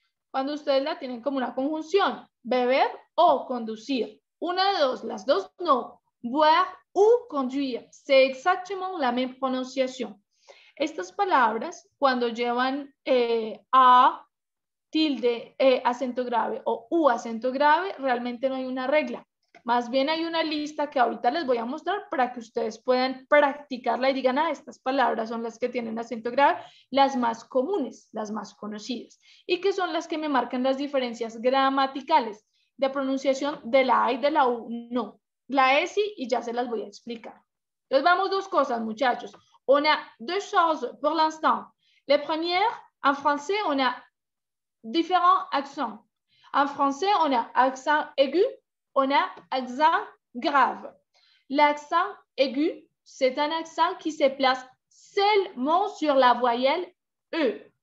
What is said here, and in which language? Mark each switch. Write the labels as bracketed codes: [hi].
[es] Cuando ustedes la tienen como una conjunción, beber o conducir. Una de dos, las dos no. [fr] Boire ou conduire, c'est exactement la même prononciation. [es] Estas palabras, cuando llevan a tilde, acento grave, o u acento grave, realmente no hay una regla. Más bien hay una lista que ahorita les voy a mostrar para que ustedes puedan practicarla y digan, ah, estas palabras son las que tienen acento grave, las más comunes, las más conocidas, y que son las que me marcan las diferencias gramaticales de pronunciación de la A y de la U. No, la E sí, y ya se las voy a explicar. Entonces vamos dos cosas, muchachos. [fr] On a deux choses pour l'instant. La première, en français, on a différents accents. En français, on a accent aigu, on a accent grave. L'accent aigu, c'est un accent qui se place seulement sur la voyelle E.